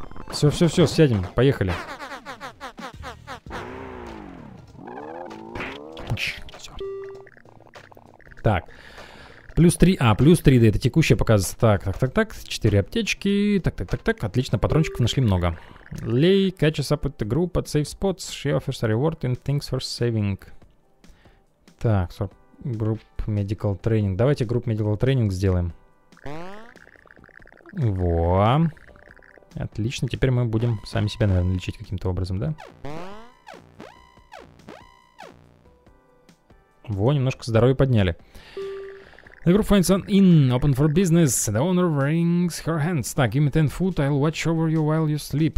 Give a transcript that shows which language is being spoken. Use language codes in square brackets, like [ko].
[ru] Все-все-все, сядем, поехали. Все. Так. Плюс 3. А, плюс 3, да, это текущее показывается. Так, так, так, так. 4 аптечки. Так, так, так, так. Отлично, патрончиков нашли много. [en] Lay, catch us up with the group at safe spots. She offers a reward and thanks for saving. Так, group medical training. [ru] Давайте [en] group medical training [ru] сделаем. Во. Отлично, теперь мы будем сами себя, наверное, лечить каким-то образом, да? Во, немножко здоровье подняли. [en] The group finds an inn, open for business. The owner wrings her hands. [ru] Так, [en] give me 10 food, I'll watch over you while you sleep.